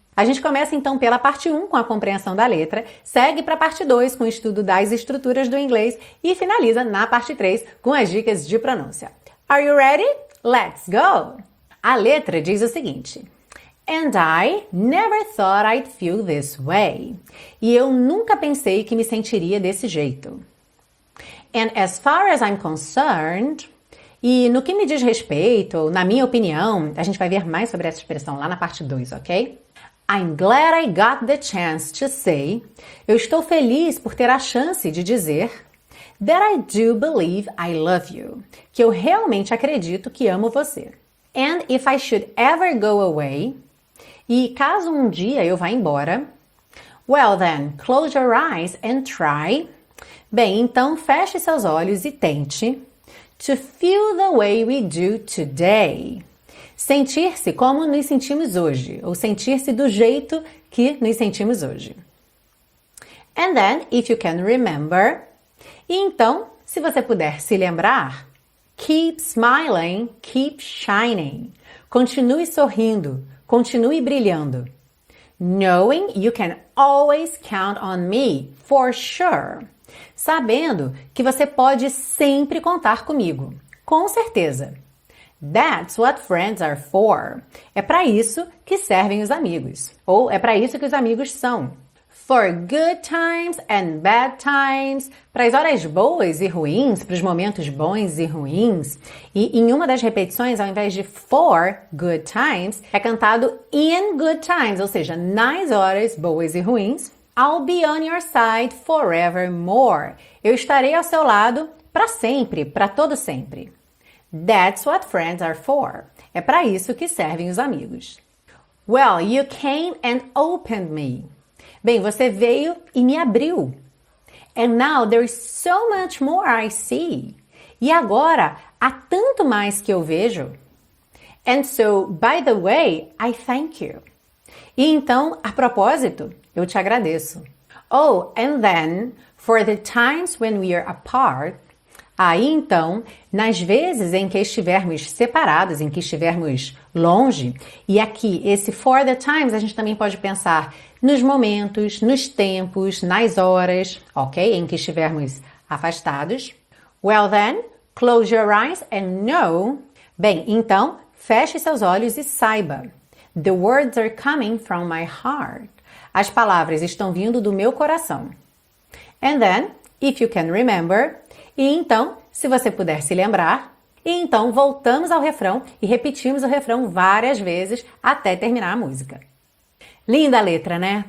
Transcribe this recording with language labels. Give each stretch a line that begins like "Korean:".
Portuguese: A gente começa então pela parte 1 com a compreensão da letra, segue para a parte 2 com o estudo das estruturas do inglês e finaliza na parte 3 com as dicas de pronúncia.
English: Are you ready? Let's go!
Portuguese: A letra diz o seguinte:
English: And I never thought I'd feel this way.
Portuguese: E eu nunca pensei que me sentiria desse jeito.
English: And as far as I'm concerned.
Portuguese: E no que me diz respeito, na minha opinião, a gente vai ver mais sobre essa expressão lá na parte 2, ok?
English: I'm glad I got the chance to say.
Portuguese: Eu estou feliz por ter a chance de dizer
English: that I do believe I love you.
Portuguese: Que eu realmente acredito que amo você.
English: And if I should ever go away.
Portuguese: E caso um dia eu vá embora.
English: Well then, close your eyes and try.
Portuguese: Bem, então feche seus olhos e tente
English: to feel the way we do today.
Portuguese: Sentir-se como nos sentimos hoje, ou sentir-se do jeito que nos sentimos hoje.
English: And then, if you can remember.
Portuguese: E então, se você puder se lembrar,
English: keep smiling, keep shining.
Portuguese: Continue sorrindo, continue brilhando.
English: Knowing you can always count on me, for sure.
Portuguese: Sabendo que você pode sempre contar comigo, com certeza.
English: That's what friends are for.
Portuguese: É para isso que servem os amigos. Ou é para isso que os amigos são.
English: For good times and bad times.
Portuguese: Para as horas boas e ruins, para os momentos bons e ruins. E em uma das repetições, ao invés de
English: for good times,
Portuguese: é cantado
English: in good times,
Portuguese: ou seja, nas horas boas e ruins.
English: I'll be on your side forevermore.
Portuguese: Eu estarei ao seu lado para sempre, para todo sempre.
English: That's what friends are for.
Portuguese: É para isso que servem os amigos.
English: Well, you came and opened me.
Portuguese: Bem, você veio e me abriu.
English: And now there's so much more I see.
Portuguese: E agora há tanto mais que eu vejo.
English: And so, by the way, I thank you.
Portuguese: E então, a propósito, eu te agradeço.
English: Oh, and then, for the times when we are apart.
Portuguese: Aí então, nas vezes em que estivermos separados, em que estivermos longe, e aqui esse
English: for the times,
Portuguese: a gente também pode pensar nos momentos, nos tempos, nas horas, ok? Em que estivermos afastados.
English: Well then, close your eyes and know.
Portuguese: Bem, então, feche seus olhos e saiba.
English: The words are coming from my heart.
Portuguese: As palavras estão vindo do meu coração.
English: And then, if you can remember.
Portuguese: E então, se você puder se lembrar. E então, voltamos ao refrão e repetimos o refrão várias vezes até terminar a música. Linda letra, né?